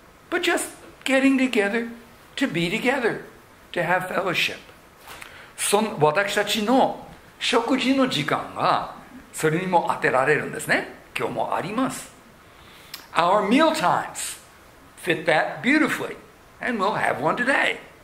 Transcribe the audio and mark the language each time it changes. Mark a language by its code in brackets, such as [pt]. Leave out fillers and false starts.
[en] But justGetting together, to be together, to have fellowship. [ja] 私たちの食事の時間がそれにも当てられるんですね。今日もあります。 [en] Our meal times fit that beautifully, and we'll have one today.